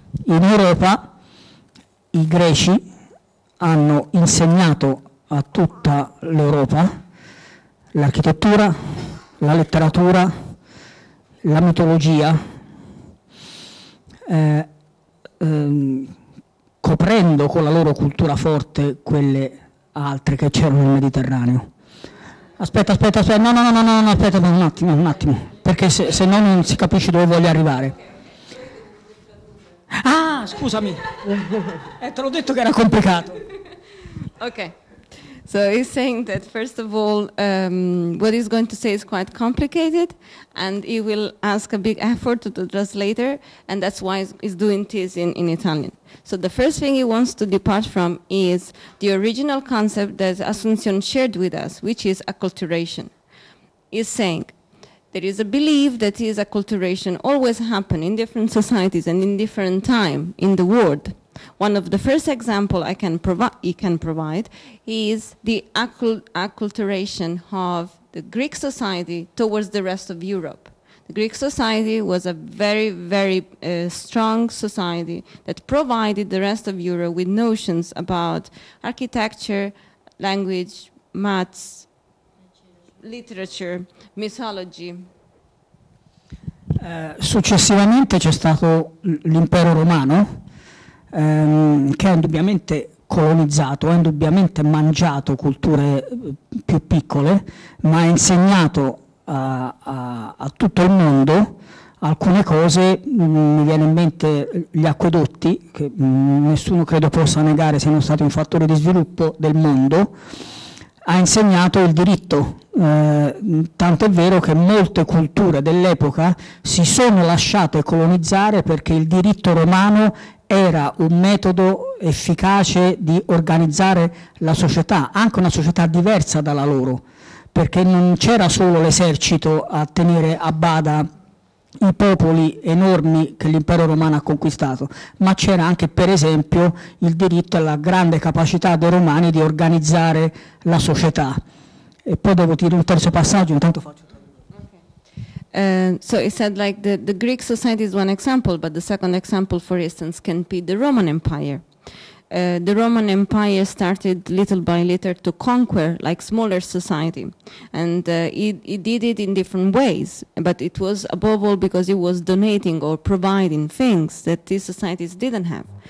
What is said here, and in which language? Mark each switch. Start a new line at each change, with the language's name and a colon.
Italian: In Europa i greci hanno insegnato a tutta l'Europa l'architettura, la letteratura, la mitologia, coprendo con la loro cultura forte quelle altre che c'erano nel Mediterraneo. Aspetta, no, aspetta un attimo, perché se no non si capisce dove voglio arrivare. Ah, scusami, te l'ho detto che era complicato.
English: Ok, so he's saying that first of all, what he's going to say is quite complicated, and he will ask a big effort to the translator, and that's why he's doing this in Italian. So the first thing he wants to depart from is the original concept that Asuncion shared with us, which is acculturation. He's saying there is a belief that is acculturation always happen in different societies and in different time in the world. One of the first examples he can provide is the acculturation of the Greek society towards the rest of Europe. The Greek society was a very, very strong society that provided the rest of Europe with notions about architecture, language, maths, literature, mythology.
Italian: Successivamente c'è stato l'Impero Romano, che ha indubbiamente colonizzato, ha indubbiamente mangiato culture più piccole, ma ha insegnato a tutto il mondo alcune cose. Mi viene in mente gli acquedotti, che nessuno credo possa negare siano stati un fattore di sviluppo del mondo. Ha insegnato il diritto, tanto è vero che molte culture dell'epoca si sono lasciate colonizzare perché il diritto romano era un metodo efficace di organizzare la società, anche una società diversa dalla loro, perché non c'era solo l'esercito a tenere a bada i popoli enormi che l'Impero Romano ha conquistato, ma c'era anche, per esempio, il diritto e la grande capacità dei romani di organizzare la società. E poi devo dire un terzo passaggio, intanto faccio.
English: So he said, like, the Greek society is one example, but the second example, for instance, can be the Roman Empire. The Roman Empire started little by little to conquer, like, smaller society. And it did it in different ways, but it was above all because it was donating or providing things that these societies didn't have.